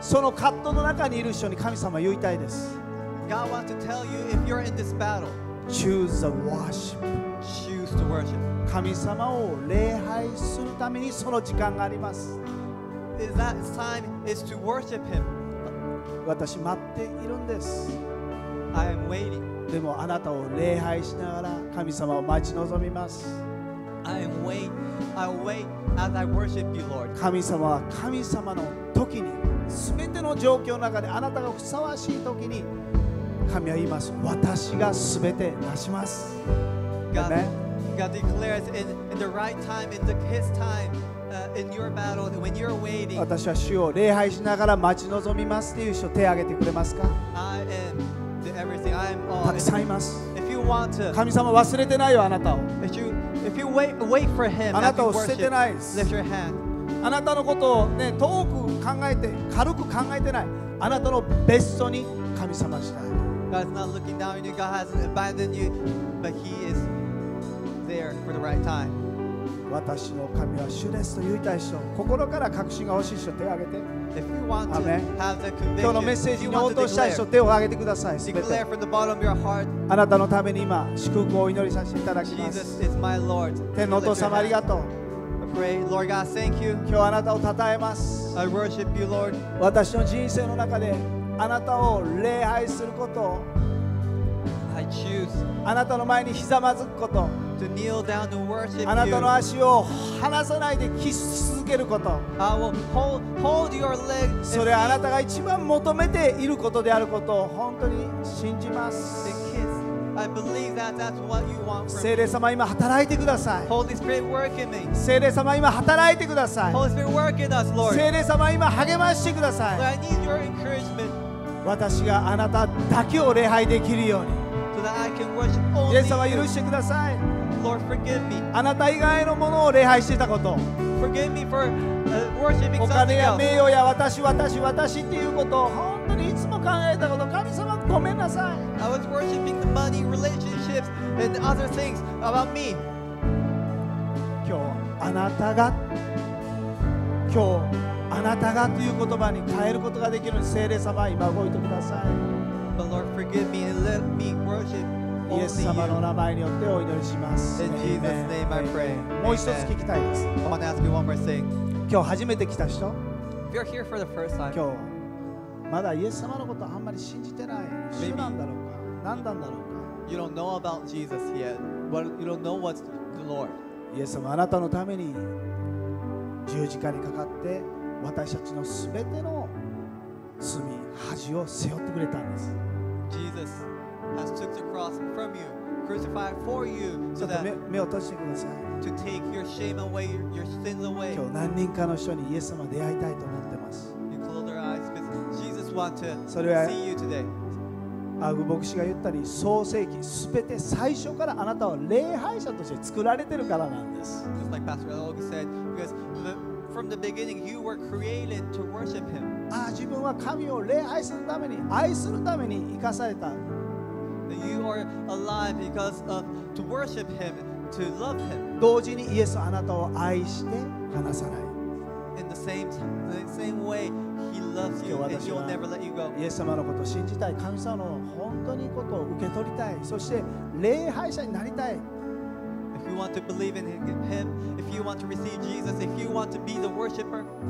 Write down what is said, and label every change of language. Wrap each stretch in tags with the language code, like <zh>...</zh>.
<ja>その葛藤の中にいる人に神様言いたいです。</ja> <en>God wants to tell you if you're in this battle. Choose the worship. Choose to worship.</en> <ja>神様を礼拝するためにその時間があります。</ja> <en>Is that time is to worship him?</en> <ja>私待っているんです。</ja> <en>I am waiting.</en> <ja>でもあなたを礼拝しながら神様を待ち望みます。</ja> <en>I am waiting. I wait as I worship you, Lord.</en> <ja>神様は神様の時に、すべての状況の中であなたがふさわしい時に、神は言います。私がすべて成します。</ja> <en>God, God declares in the right time, in the His time, in your battle, when you're waiting.</en> <ja>私は主を礼拝しながら待ち望みますという人手を挙げてくれますか？</ja> <en>I am. Everything. I'm</en> <ja>all. たくさんいます。</ja> <en>If you want to,</en> <ja>神様忘れてないよあなたを。</ja> <en>If you wait for him,</en> <ja>あなたを捨ててない。</ja> <en>Lift your hand.</en> <ja>あなたのことを、ね、遠く考えて軽く考えてない。あなたのベストに神様したい。</ja> <en>God's not looking down on you. God has abandoned you, but He is there for the right time.</en> <ja>私の神は主ですと言いたい人、心から確信が欲しい人、手を挙げて。</ja> <en>If you want to have the conviction,</en> <ja>今日のメッセージに応答したい人、手を挙げてください。</ja> <en>Declare from the bottom of your heart.</en> <ja>あなたのために今祝福をお祈りさせていただきます。</ja> <en>Jesus is my Lord.</en> <ja>天のお父様ありがとう。</ja> <en>I pray, Lord God, thank you.</en> <ja>今日あなたを讃えます。</ja> <en>I worship you, Lord.</en> <ja>私の人生の中であなたを礼拝すること</ja> <en>を、I choose.</en> <ja>あなたの前にひざまずくこと、</ja> <en>to kneel down and worship you.</en> <ja>あなたの足を離さないで引き続けること、</ja> <en>I will hold your leg.</en> <ja>それはあなたが一番求めていることであることを本当に信じます。</ja> <en>I believe that that's what you want from me.</en> <ja>聖霊様今働いてください。</ja> <en>Holy Spirit work in me.</en> <ja>聖霊様今働いてください。</ja> <en>Holy Spirit work in us, Lord.</en> <ja>聖霊様今励ましてください。</ja> <en>Lord, I need your encouragement.</en> <ja>私があなただけを礼拝できるように、イエス様許してください。</ja> <en>Lord, forgive me.</en> <ja>あなた以外のものを礼拝していたこと、</ja> <en>forgive me for worshiping something else.</en> <ja>お金や名誉や私私私っていうことを本当にいつも考えたこと、神様ごめんなさい。</ja> <en>I was worshiping the money, relationships and other things about me.</en> <ja>今日あなたが、今日あなたがという言葉に変えることができる聖霊様今動いてください。</ja> <en>But Lord, forgive me and let me worship only you.</en> <ja>イエス様の名前によってお祈りします。</ja> <en>In Jesus' name, I pray.</en> <ja>もう一つ聞きたいです。</ja> <en>I want to ask you one more thing.</en> <ja>今日初めて来た人。</ja> <en>If you're here for the first time.</en> <ja>今日まだイエス様のことあんまり信じてない。主なんだろうか。何なんだろうか。</ja> <en>You don't know about Jesus yet. But you don't know what's the Lord.</en> <ja>イエス様あなたのために十字架にかかって私たちのすべての罪。恥を背負ってくれたんです。</ja> <en>Jesus has took the cross from you, crucified for you, so that</en> <ja>目を閉じてください。</ja> <en>To take your shame away, your sins away.</en> <ja>今日何人かの人にイエス様出会いたいと思ってます。</ja> <en>You close your eyes, because Jesus wants to see you today.</en> <ja>アグ牧師が言ったに創世記すべて最初からあなたは礼拝者として作られてるからなんです。</ja> <en>Just like Pastor Elog said, because from the beginning you were created to worship him.</en> <ja>自分は神を礼拝するために愛するために生かされた。</ja> <en>You are alive because of to worship him, to love him.</en> <ja>同時にイエスはあなたを愛して離さない。</ja> <en>Same way, he loves you, and he'll never let you go.</en> <ja>イエス様のことを信じたい、神様の本当にことを受け取りたい、そして礼拝者になりたい。</ja> <en>If you want to believe in him, if you want to receive Jesus, if you want to be the worshipper,</en>